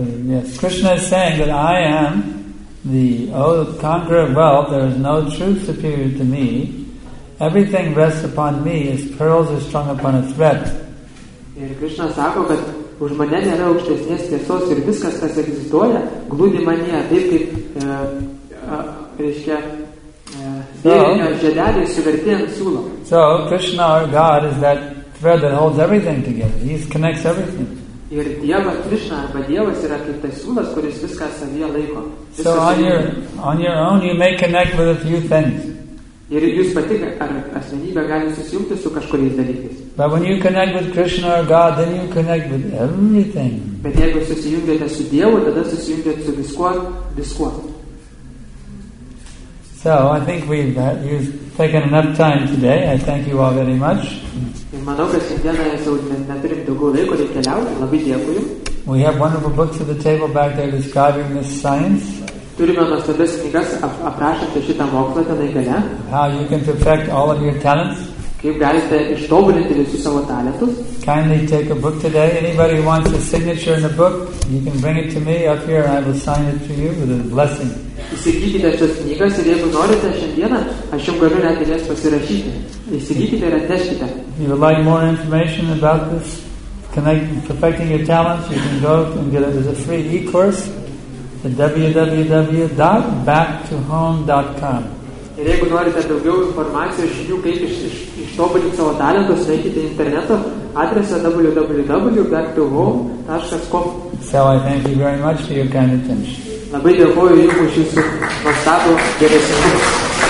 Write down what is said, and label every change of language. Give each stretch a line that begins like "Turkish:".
English: Yes, Krishna is saying that I am the conqueror of wealth. There is no truth superior to me. Everything rests upon me as pearls are strung upon a thread.
Lithuanian: Ir Krishna sako, kad už mane nėra aukštesnės tiesos ir viskas, kas egzistuoja, glūdi manyje, taip kaip žiedeliai suverti ant siūlo.
English: So Krishna, our God, is that thread that holds everything together. He connects everything.
Lithuanian: Ir Dievas, Krishna, arba Dievas yra kaip tas siūlas, kuris viską savyje laiko.
English: So on your own you may connect with a few things.
Lithuanian: Ir jūs pati ar asmenybė gali susijungti su kažkuriais dalykais.
English: But when you connect with Krishna or God, then you connect with everything.
Lithuanian: Bet jeigu susijungiate su Dievu, tada susijungiate su viskuo.
English: So I think you've taken enough time today. I thank you all very much.
Lithuanian: Manau, kad šiandieną jau neturim daugiau laiko, reikia keliauti. Labai dėkui.
English: We have wonderful books at the table back there describing this science.
Lithuanian: Turime nuostabias knygas aprašantį šitą mokslą tenai gale.
English: How you can perfect all of your talents.
Lithuanian: Kaip galite ištobulinti visus savo talentus.
English: Kindly take a book today. Anybody wants a signature in the book, you can bring it to me up here. I will sign it to you with a blessing.
Lithuanian: Įsigykite šias knygas ir jeigu norite šiandieną, aš jums galiu net jas pasirašyti. Įsigykite ir atneškite.
English: If you would like more information about this, perfecting your talents, you can go and get it as a free e-course. www.backtohome.com.
Lithuanian: Ir jeigu norite daugiau informacijos, žinių, kaip ištobulinti savo talentus, veikite interneto adresą www.backtohome.com.
English: So I thank you very much for your kind attention.
Lithuanian: Labai dėkoju jums už jūsų nuostabų dėmesį.